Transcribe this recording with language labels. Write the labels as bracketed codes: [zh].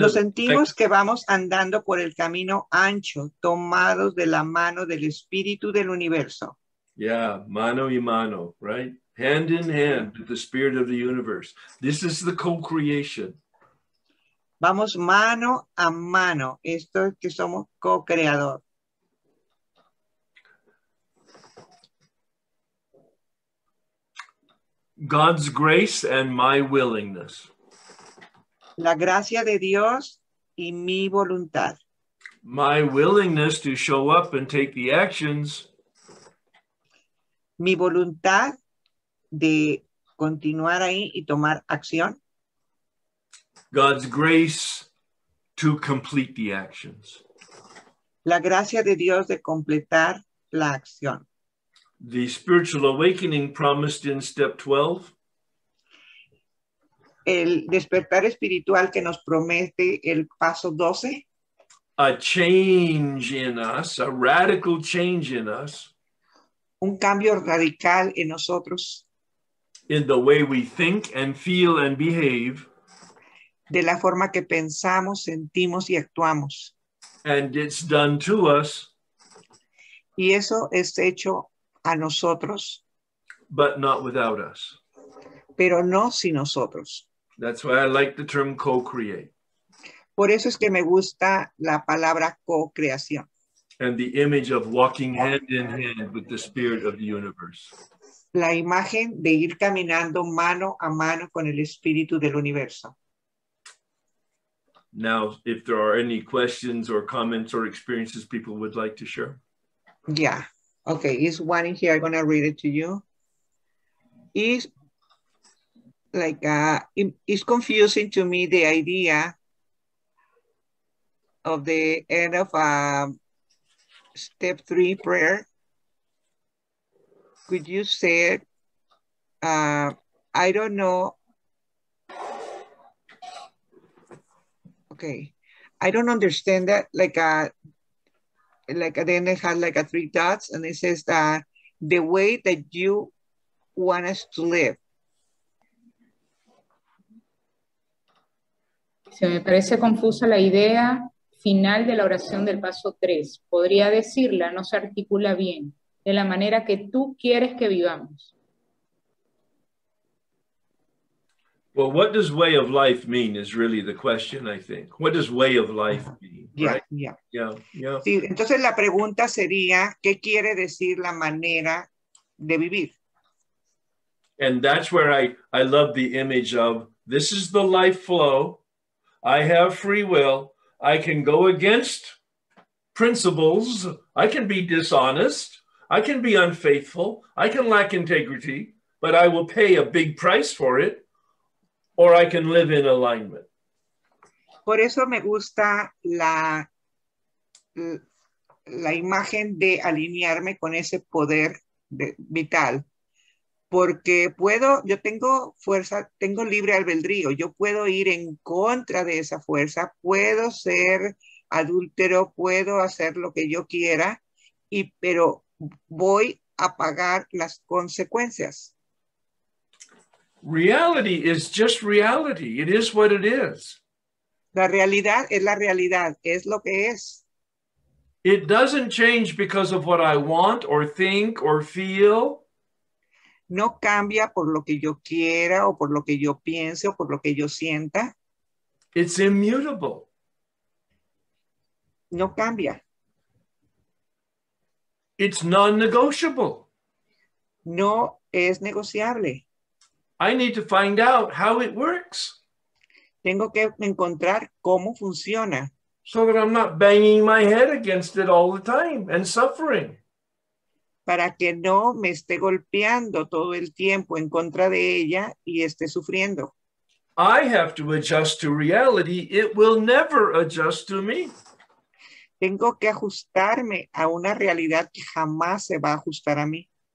[es] Nos sentimos que vamos andando por el camino ancho, tomados de la mano del espíritu del universo. [en] Yeah, [es] mano y mano, [en] right? Hand in hand with the spirit of the universe. This is the co-creation. [es] Vamos mano a mano. Esto es que somos co-creador. [en] God's grace and my willingness. [es] La gracia de Dios y mi voluntad. [en] My willingness to show up and take the actions. [es] Mi voluntad de continuar ahí y tomar acción. [en] God's grace to complete the actions. [es] La gracia de Dios de completar la acción. [en] The spiritual awakening promised in step 12. [es] El despertar espiritual que nos promete el paso 12. [en] A change in us, a radical change in us. [es] Un cambio radical en nosotros. [en] In the way we think and feel and behave. [es] De la forma que pensamos, sentimos y actuamos. [en] And it's done to us. [es] Y eso es hecho a nosotros. [en] But not without us. [es] Pero no sin nosotros. [en] That's why I like the term co-create. [es] Por eso es que me gusta la palabra co-creación. [en] And the image of walking hand in hand with the spirit of the universe. [es] La imagen de ir caminando mano a mano con el espíritu del universo. [en] Now, if there are any questions or comments or experiences people would like to share. Yeah. Okay. Is one in here. I'm going to read it to you. Is like, it's confusing to me the idea of the end of step three prayer. Could you say it? I don't know. Okay. I don't understand that. Like then it has like a three dots and it says that the way that you want us to live. [es] Se me parece confusa la idea final de la oración del paso tres. Podría decirla, no se articula bien. De la manera que tú quieres que vivamos. [en] Well, what does way of life mean is really the question, I think. What does way of life mean? Yeah. [es] Sí, entonces la pregunta sería, ¿qué quiere decir la manera de vivir? [en] And that's where I love the image of, this is the life flow. I have free will. I can go against principles. I can be dishonest. I can be unfaithful, I can lack integrity, but I will pay a big price for it, or I can live in alignment. [es] Por eso me gusta la imagen de alinearme con ese poder vital. Porque puedo, yo tengo fuerza, tengo libre albedrío, yo puedo ir en contra de esa fuerza, puedo ser adúltero, puedo hacer lo que yo quiera, pero voy a pagar las consecuencias. [en] Reality is just reality. It is what it is. [es] La realidad es la realidad, es lo que es. [en] It doesn't change because of what I want or think or feel. [es] No cambia por lo que yo quiera o por lo que yo piense o por lo que yo sienta. [en] It's immutable. [es] No cambia. [en] It's non-negotiable. [es] No es negociable. [en] I need to find out how it works. [es] Tengo que encontrar cómo funciona. [en] So that I'm not banging my head against it all the time and suffering. [es] Para que no me esté golpeando todo el tiempo en contra de ella y esté sufriendo. [en] I have to adjust to reality. It will never adjust to me. [es] Tengo que ajustarme a una realidad que jamás se va a ajustar a mí.